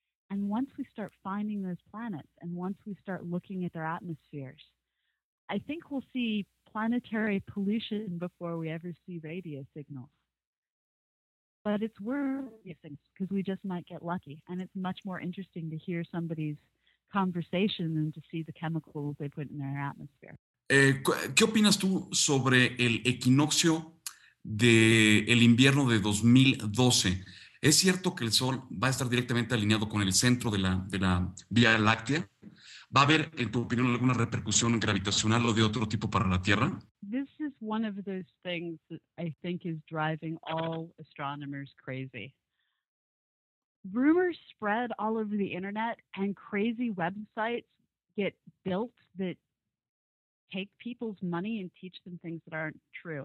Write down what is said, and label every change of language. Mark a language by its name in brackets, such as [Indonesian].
[English] And once we start finding those planets, and once we start looking at their atmospheres, I think we'll see planetary pollution before we ever see radio signals. But it's worth it because we just might get lucky. And it's much more interesting to hear somebody's conversation than to see the chemicals they put in their atmosphere. [Spanish] ¿Qué opinas tú sobre el equinoccio del invierno de 2012? ¿Es cierto que el Sol va a estar directamente alineado con el centro de la Vía Láctea? ¿Va a haber, en tu opinión, alguna repercusión gravitacional o de otro tipo para la Tierra? [English] This is one of those things that I think is driving all astronomers crazy. Rumors spread all over the internet and crazy websites get built that take people's money and teach them things that aren't true.